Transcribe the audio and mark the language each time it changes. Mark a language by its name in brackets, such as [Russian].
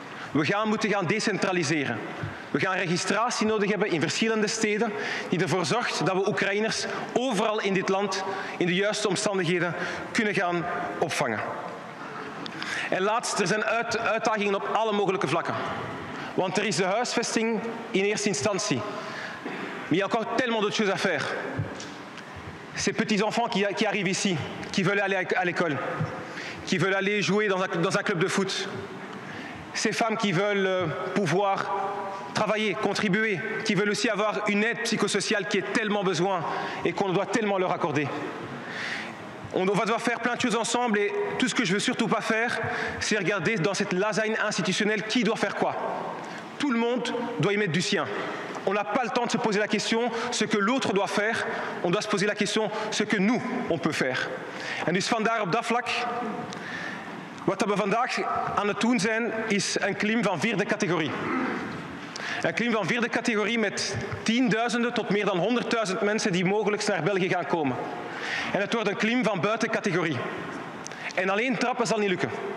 [Dutch] We gaan moeten gaan decentraliseren. We gaan registratie nodig hebben in verschillende steden die ervoor zorgt dat we Oekraïners overal in dit land in de juiste omstandigheden kunnen gaan opvangen. En laatst, er zijn uitdagingen op alle mogelijke vlakken. Want er is de huisvesting in eerste instantie. Maar je hebt nog zoveel dingen te doen. [French] Ces petits enfants qui arrivent ici, qui veulent aller à l'école, qui veulent aller jouer dans un club de foot. Ces femmes qui veulent pouvoir travailler, contribuer, qui veulent aussi avoir une aide psychosociale qui est tellement besoin et qu'on doit tellement leur accorder. On va devoir faire plein de choses ensemble et tout ce que je ne veux surtout pas faire, c'est regarder dans cette lasagne institutionnelle qui doit faire quoi. Tout le monde doit y mettre du sien. On n'a pas le temps de se poser la question ce que l'autre doit faire, on doit se poser la question ce que nous, on peut faire. [Dutch] En dus vandaar op dat vlak, wat we vandaag aan het doen zijn, is een klim van 4e categorie. Een klim van 4e categorie met tienduizenden tot meer dan 100.000 mensen die mogelijk naar België gaan komen. En het wordt een klim van buiten categorie. En alleen trappen zal niet lukken.